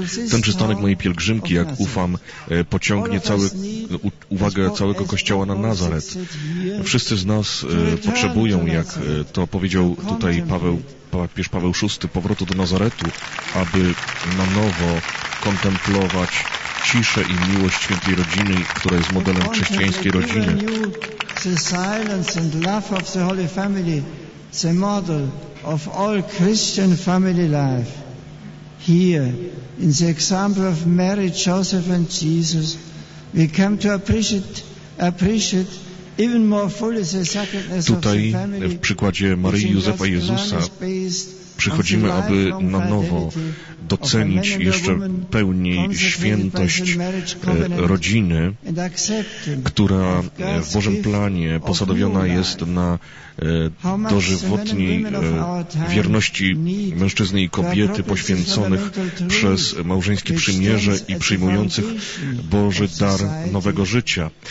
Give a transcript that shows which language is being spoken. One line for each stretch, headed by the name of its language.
Polish: Ten przystanek mojej pielgrzymki, jak ufam, pociągnie uwagę całego Kościoła na Nazaret. Wszyscy z nas potrzebują, jak to powiedział tutaj papież Paweł VI, powrotu do Nazaretu, aby na nowo kontemplować ciszę i miłość świętej rodziny, która jest modelem chrześcijańskiej rodziny.
English: The silence and love of the Holy Family, the model of all Christian family life. Here, in the example of Mary, Joseph and Jesus, we come to appreciate even more fully the sacredness of the family.
Polish: W przykładzie Maryi, Józefa i Jezusa przychodzimy, aby na nowo docenić jeszcze pełniej świętość rodziny, która w Bożym planie posadowiona jest na dożywotniej wierności mężczyzny i kobiety poświęconych przez małżeńskie przymierze i przyjmujących Boży dar nowego życia.